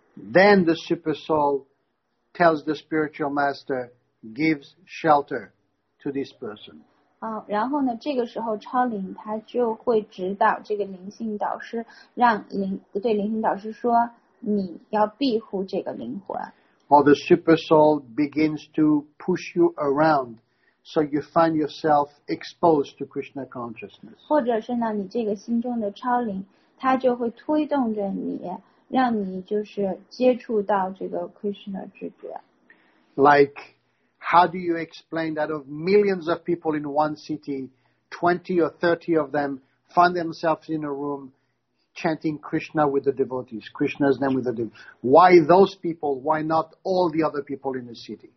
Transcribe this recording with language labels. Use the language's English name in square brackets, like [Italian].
[English] Then the super soul tells the spiritual master gives shelter to this person. [Chinese] 然后呢这个时候超灵它就会指导这个灵性导师，让灵对灵性导师说你要庇护这个灵魂。 [English] Or the super soul begins to push you aroundSo you find yourself exposed to Krishna consciousness. [Chinese] 或者是呢，你这个心中的超灵，它就会推动着你，让你就是接触到这个 Krishna 知觉。 [English] Like, how do you explain that of millions of people in one city, 20 or 30 of them find themselves in a room chanting Krishna with the devotees, Krishna's name with the devotees? Why those people? Why not all the other people in the city?